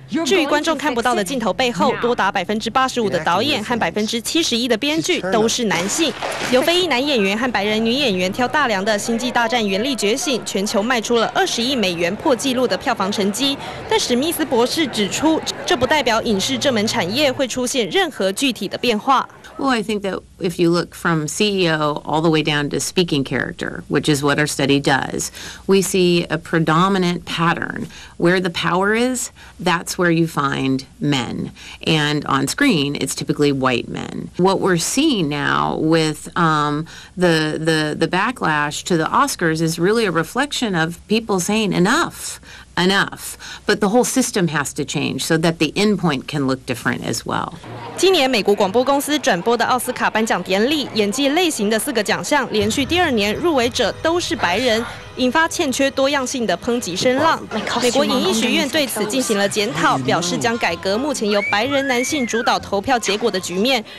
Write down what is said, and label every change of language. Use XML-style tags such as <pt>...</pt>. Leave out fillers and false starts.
<zh>至于观众看不到的镜头背后，多达 85% 的导演和 71% 的编剧都是男性。由非裔男演员和白人女演员挑大梁的《星际大战：原力觉醒》全球卖出了$20亿破纪录的票房成绩，但史密斯博士指出，这不代表影视这门产业会出现任何具体的变化。</zh> <en>Well, I think that if you look from CEO all the way down to speaking character, which is what our study does, we see a predominant pattern. Where the power is, that's where you find men. And on screen, it's typically white men. What we're seeing now with the backlash to the Oscars is really a reflection of people saying enough. Enough, but the whole system has to change so that the endpoint can look different as well.</en> <zh>今年美国广播公司转播的奥斯卡颁奖典礼，演技类型的四个奖项连续第二年入围者都是白人，引发欠缺多样性的抨击声浪。美国影艺学院对此进行了检讨，表示将改革目前由白人男性主导投票结果的局面。</zh>